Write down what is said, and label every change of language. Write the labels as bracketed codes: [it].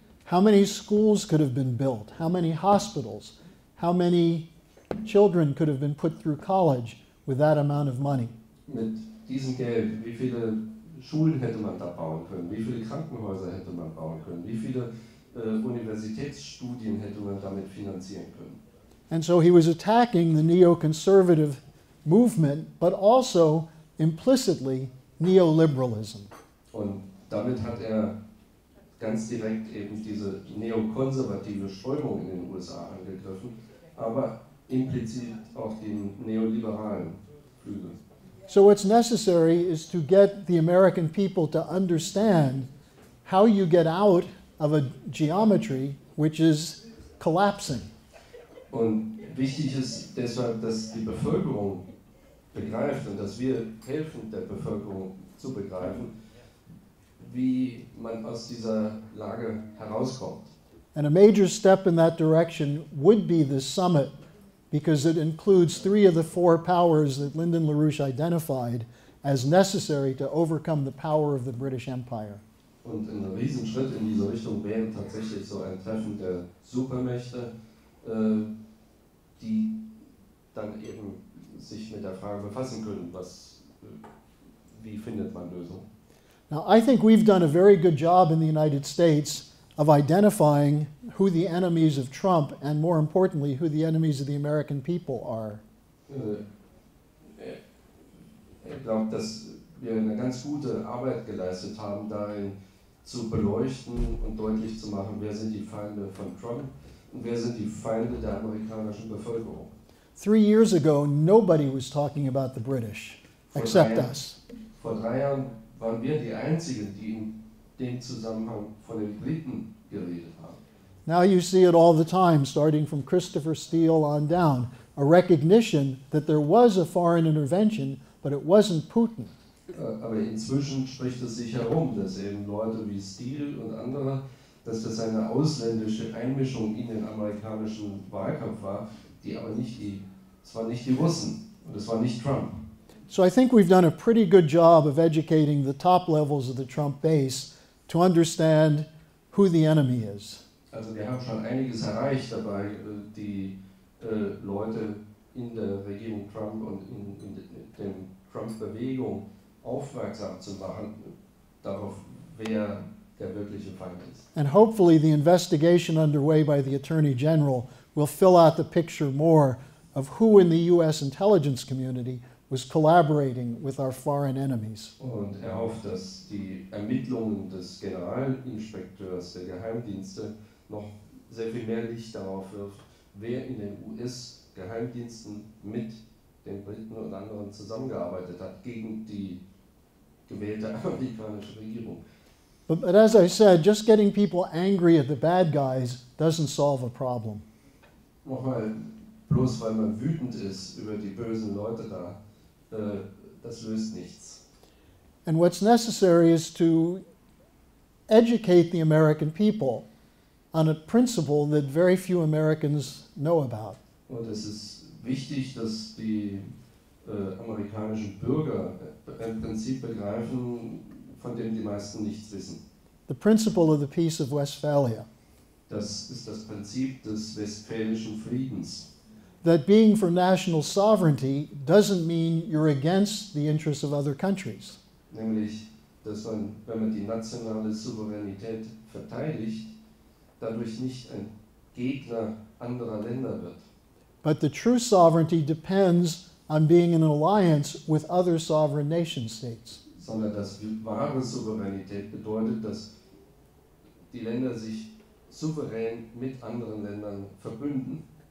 [en] How many schools could have been built? How many hospitals? How many children could have been put through college with that amount of money. [de] Mit diesem Geld, wie viele Schulen hätte man da bauen können? Wie viele Krankenhäuser hätte man bauen können? Wie viele Universitätsstudien hätte man damit finanzieren können? [en] And so he was attacking the neoconservative movement, but also implicitly neoliberalism. [de] Und damit hat er ganz direkt eben diese neokonservative Strömung in den USA angegriffen, aber implizit auch den neoliberalen Flügel. [en] So what's necessary is to get the American people to understand how you get out of a geometry which is collapsing. [de] Und wichtig ist deshalb, dass die Bevölkerung begreift und dass wir helfen, der Bevölkerung zu begreifen, wie man aus dieser Lage herauskommt. [en] And a major step in that direction would be this summit, because it includes three of the four powers that Lyndon LaRouche identified as necessary to overcome the power of the British Empire. [de] Und ein Riesenschritt in diese Richtung wäre tatsächlich so ein Treffen der Supermächte, die dann eben sich mit der Frage befassen können, was, wie findet man Lösungen. [en] Now, I think we've done a very good job in the United States of identifying who the enemies of Trump and, more importantly, who the enemies of the American people are. [de] Ich glaube, dass wir eine ganz gute Arbeit geleistet haben, darin zu beleuchten und deutlich zu machen, wer sind die Feinde von Trump und wer sind die Feinde der amerikanischen Bevölkerung. [en] 3 years ago, nobody was talking about the British, except us. [de] Vor 3 Jahren waren wir die Einzigen, die in dem Zusammenhang von den Briten geredet haben. [en] Now you see it all the time, starting from Christopher Steele on down, a recognition that there was a foreign intervention, but it wasn't Putin. [de] Aber inzwischen spricht es sich herum, dass eben Leute wie Steele und andere, dass das eine ausländische Einmischung in den amerikanischen Wahlkampf war, die aber nicht die, es waren nicht die Russen und es war nicht Trump. [en] So I think we've done a pretty good job of educating the top levels of the Trump base to understand who the enemy is. [de] Also wir haben schon einiges erreicht dabei, die Leute in der Regierung Trump und in der Trump-Bewegung aufmerksam zu machen darauf, wer der wirkliche Feind ist. [en] And hopefully the investigation underway by the Attorney General will fill out the picture more of who in the U.S. intelligence community was collaborating with our foreign enemies. [de] Und er hofft, dass die Ermittlungen des Generalinspekteurs der Geheimdienste noch sehr viel mehr Licht darauf wirft, wer in den US-Geheimdiensten mit den Briten und anderen zusammengearbeitet hat gegen die gewählte amerikanische Regierung. [en] But as I said, just getting people angry at the bad guys doesn't solve a problem. [de] Nochmal, bloß weil man wütend ist über die bösen Leute da, das löst nichts. [en] And what's necessary is to educate the American people on a principle that very few Americans know about. [de] Und es ist wichtig, dass die amerikanischen Bürger ein Prinzip begreifen, von dem die meisten nichts wissen. [en] The principle of the Peace of Westphalia. [de] Das ist das Prinzip des Westfälischen Friedens. [en] That being for national sovereignty doesn't mean you're against the interests of other countries. [de] Nämlich, dass man, wenn man die nationale Souveränität verteidigt, dadurch nicht ein Gegner anderer Länder wird. [en] But the true sovereignty depends on being in an alliance with other sovereign nation states. [de] Sondern dass wahre Souveränität bedeutet, dass die Länder sich souverän mit anderen Ländern verbünden.